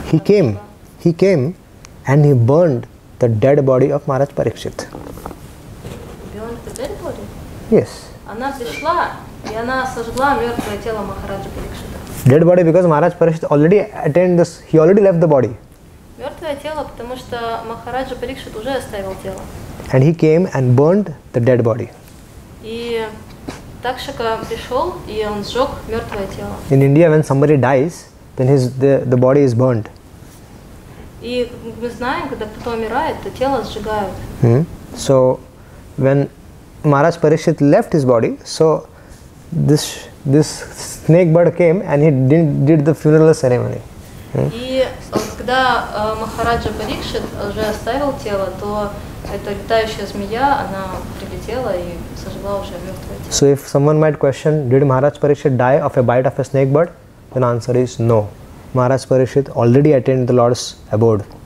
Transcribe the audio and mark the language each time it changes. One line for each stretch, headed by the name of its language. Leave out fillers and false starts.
English: He came and he burned the dead body of Maharaj Parikshit. Burned the dead body? Yes.
Russian: Она пришла и она сожгла мертвое тело Махараджа Парикшита.
English: Dead body because Maharaj Parikshit already attained this, he already left the body.
Russian: Мертвое тело, потому что Махараджа Парикшит уже оставил тело.
English: And he came and burned the dead body.
Russian: И Такшака пришел и он сжег мертвое тело.
English: In India, when somebody dies, then the body is burned.
Russian: И мы знаем, когда кто-то умирает, то тело сжигают.
English: So when Maharaj Parikshit left his body, so this snake bird came and he did the funeral ceremony.
Russian: И когда Махараджа Парикшит уже оставил тело, то эта летающая змея, она прилетела и сожгла уже мертвое тело.
English: So if someone might question, did Maharaj Parikshit die of a bite of a snake bird? Then answer is no. Maharaj Parikshit already attained the Lord's abode.